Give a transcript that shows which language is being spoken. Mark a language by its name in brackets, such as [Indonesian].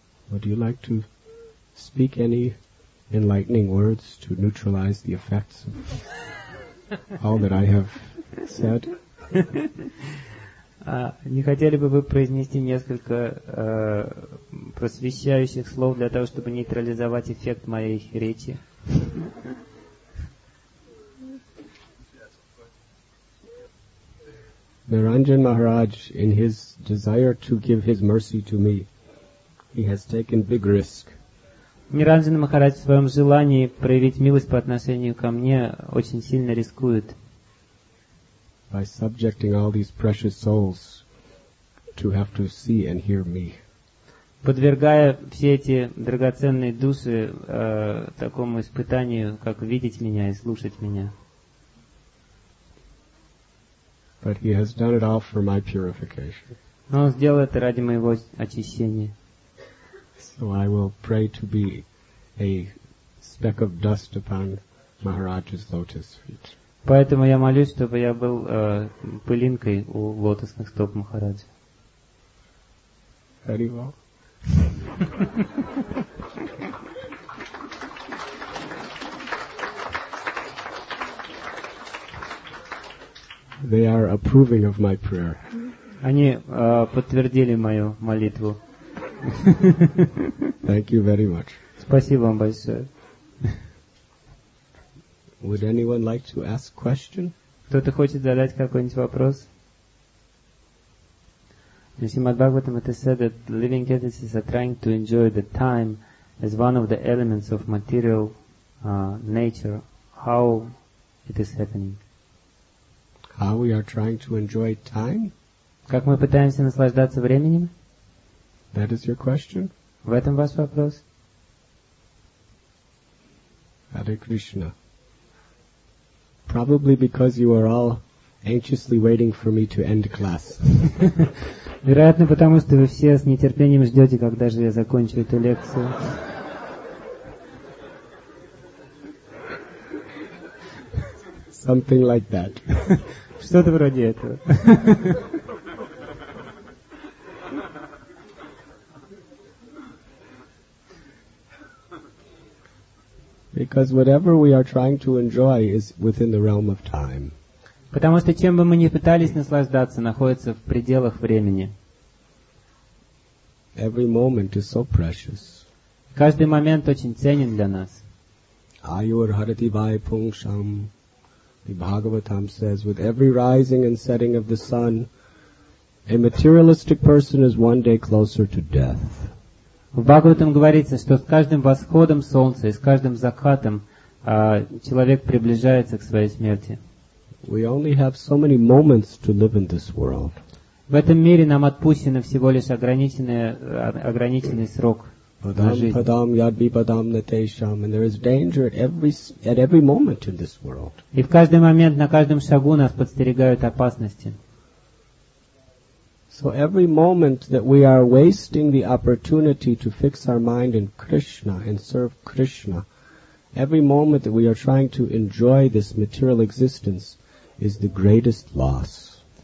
[English] Would you like to speak any enlightening words to neutralize the effects of all that I have said? [Russian] Не хотели бы вы произнести несколько просвещающих слов для того, чтобы нейтрализовать эффект моей речи? [English] Niranjan Maharaj, in his desire to give his mercy to me, he has taken big risk. [Russian] Niranjan Maharaj в своем желании проявить милость по отношению ко мне очень сильно рискует. [English] By subjecting all these precious souls to have to see and hear me. [Russian] Подвергая все эти драгоценные души такому испытанию, как видеть меня и слушать меня. [English] But he has done it all for my purification. [Russian] Но он сделал это ради моего очищения. [English] So I will pray to be a speck of dust upon Maharaj's lotus feet. [Russian] Поэтому я молюсь, чтобы я был пылинкой у лотосных стоп Махараджа. [English] Very well. They are approving of my prayer. [Russian] Они подтвердили мою молитву. [English] Thank you very much. [Russian] Спасибо вам большое. [English] Would anyone like to ask question? [Russian] Кто-то хочет задать какой-нибудь вопрос? [English] Srimad Bhagavatam, it is said that living entities are trying to enjoy the time as one of the elements of material nature. How it is happening? How we are trying to enjoy time? [Russian] Как мы пытаемся наслаждаться временем? [English] That is your question? [Russian] В этом ваш вопрос? [English] Hare Krishna. Probably because you are all anxiously waiting for me to end class. [Russian] Вероятно, потому что вы все с нетерпением ждете, когда же я закончу эту лекцию. [English] Something like that. [Russian] Что-то вроде этого. [English] Because whatever we are trying to enjoy is within the realm of time. [Russian] Потому что чем бы мы ни пытались наслаждаться, находится в пределах времени. [English] Every moment is so precious. [Russian] Каждый момент очень ценен для нас. [Sanskrit] Ayur harati vai pungsham. [English] The Bhagavatam says, with every rising and setting of the sun, a materialistic person is one day closer to death. [Russian] В Бхагаватам говорится, что с каждым восходом солнца и с каждым закатом человек приближается к своей смерти. [English] We only have so many moments to live in this world. [Russian] В этом мире нам отпущено всего лишь ограниченный срок жизни. [Sanskrit] Падам, ядби, падам, натешам, [English] and there is danger at every moment in this world. [Russian] И в каждый момент, на каждом шагу нас подстерегают опасности. [English] So every moment that we are wasting the opportunity to fix our mind in Krishna and serve Krishna, every moment that we are trying to enjoy this material existence is the greatest loss.